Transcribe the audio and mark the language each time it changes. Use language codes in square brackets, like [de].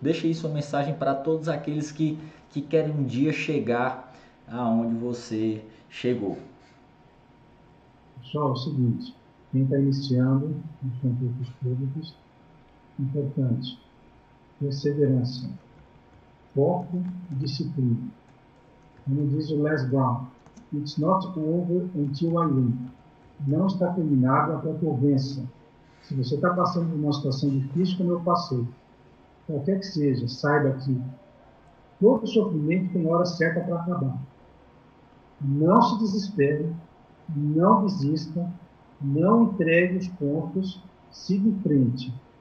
[pt] Deixe aí sua mensagem para todos aqueles que querem um dia chegar aonde você chegou. Pessoal, é o seguinte, quem está iniciando nos concursos públicos, importante, perseverança, foco e disciplina. Como diz o [en] Les Brown, it's not over until I win. [pt] Não está terminado até que eu vença. Se você está passando por uma situação difícil, como eu passei, qualquer que seja, saiba que todo sofrimento tem hora certa para acabar. Não se desespere. Não desista, não entregue os pontos, siga em frente.